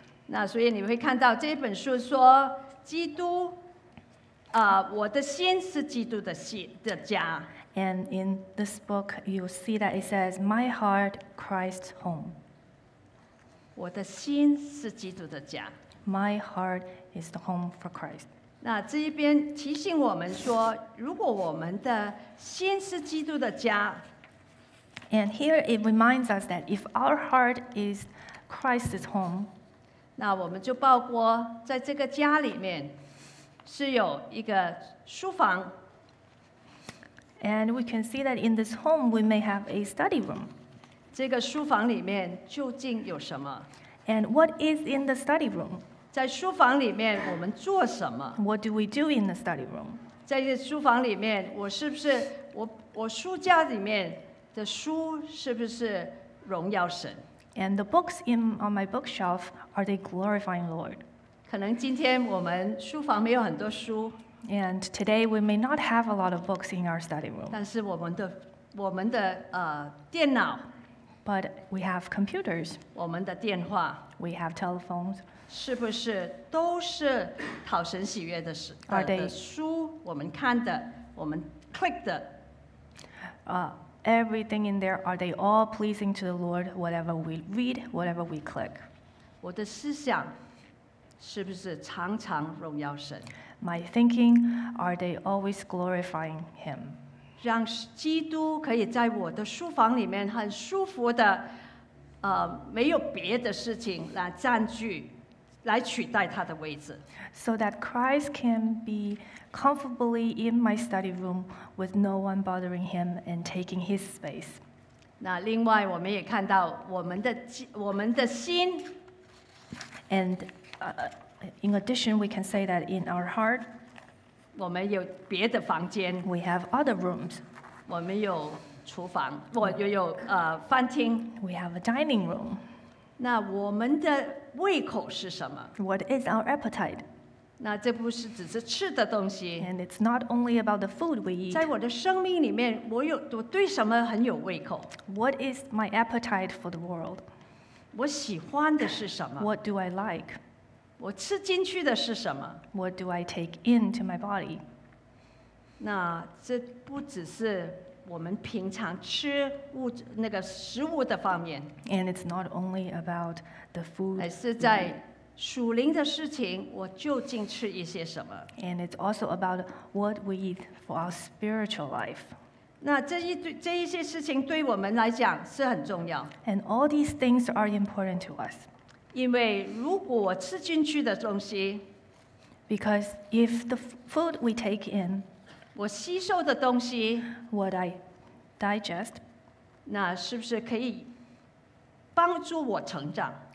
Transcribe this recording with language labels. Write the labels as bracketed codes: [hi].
[zh] 那所以你会看到这本书说基督。我的心是基督的心的家。 [en] And in this book, you see that it says, "My heart, Christ's home." [zh] 我的心是基督的家。 [en] My heart is the home for Christ. [zh] 那这一边提醒我们说，如果我们的心是基督的家 [en] ，And here it reminds us that if our heart is Christ's home, [zh] 那我们就包括在这个家里面。是有一个书房 [en] ，and we can see that in this home we may have a study room. [zh] 这个书房里面究竟有什么 [en] ？And what is in the study room? [zh] 在书房里面我们做什么 [en] ？What do we do in the study room? [zh] 在这书房里面，我是不是我书架里面的书是不是荣耀神 [en] ？And the books on my bookshelf are they glorifying the Lord? [zh] 可能今天我们书房没有很多书 [en] ，and today we may not have a lot of books in our study room. [zh] 但是我们的电脑 [en] ，but we have computers. [zh] 我们的电话 [en] ，we have telephones. [zh] 是不是都是讨神喜悦的书 [en] ？Are they [zh] 书我们看的，我们 click 的 [en] ？Everything in there are they all pleasing to the Lord? Whatever we read, whatever we click. [zh] 我的思想。是不是常常荣耀神 [en] ？My thinking, are they always glorifying Him? [zh] 让基督可以在我的书房里面很舒服的，没有别的事情来占据，来取代他的位置。 [en] So that Christ can be comfortably in my study room with no one bothering Him and taking His space. [zh] 那另外我们也看到我们的心 [en] ，and in addition, we can say that in our heart, [zh] 我们有别的房间 [en] we have other rooms. [zh] 我们有厨房，我又有饭厅 [en] we have a dining room. [zh] 那我们的胃口是什么 [en] What is our appetite? [zh] 那这不是只是吃的东西。 [en] And it's not only about the food we eat. [zh] 在我的生命里面，我对什么很有胃口 [en] ？What is my appetite for the world? [zh] 我喜欢的是什么 [en] ？What do I like? [zh] 我吃进去的是什么 [en] ？What do I take into my body? [zh] 那这不只是我们平常吃物那个食物的方面。 [en] And it's not only about the food. [zh] 而是在属灵的事情，我究竟吃一些什么 [en] ？And it's also about what we eat for our spiritual life. [zh] 那这一些事情对我们来讲是很重要。 [en] And all these things are important to us. [zh] 因为如果我吃进去的东西 [en] ，Because if the food we take in， [zh] 我吸收的东西 [en] ，What I digest， [zh] 那是不是可以帮助我成长？